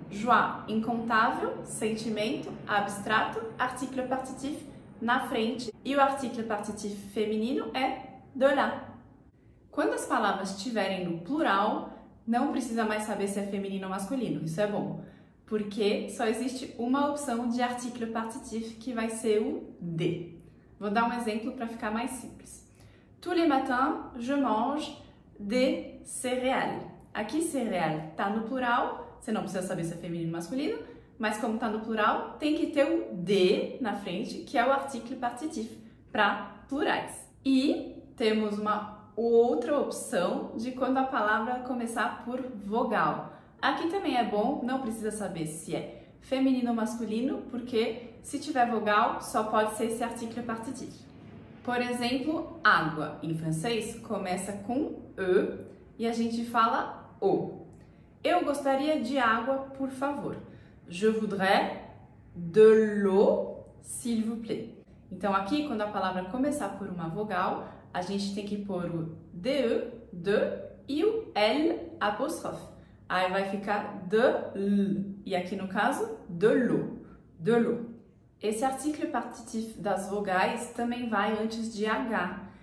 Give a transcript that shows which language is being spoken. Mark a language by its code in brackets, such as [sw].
[pt] Joie, incontável, sentimento, abstrato, article partitif na frente, e o article partitif feminino é de la. Quando as palavras estiverem no plural, não precisa mais saber se é feminino ou masculino, isso é bom. Porque só existe uma opção de article partitif, que vai ser o de. Vou dar um exemplo para ficar mais simples. [fr] Tous les matins, je mange des céréales. [pt] Aqui, céréales está no plural, você não precisa saber se é feminino ou masculino, mas como está no plural, tem que ter o de na frente, que é o article partitif, para plurais. E temos uma outra opção de quando a palavra começar por vogal. Aqui também é bom, não precisa saber se é feminino ou masculino, porque se tiver vogal, só pode ser esse article partitif. Por exemplo, água em francês começa com E e a gente fala O. Eu gostaria de água, por favor. [fr] Je voudrais de l'eau, s'il vous plaît. [pt] Então aqui, quando a palavra começar por uma vogal, a gente tem que pôr o DE, DE, e o L apóstrofe. Aí vai ficar DE, L, e aqui no caso, DE L'EAU, DE L'EAU. Esse article partitif das vogais também vai antes de H.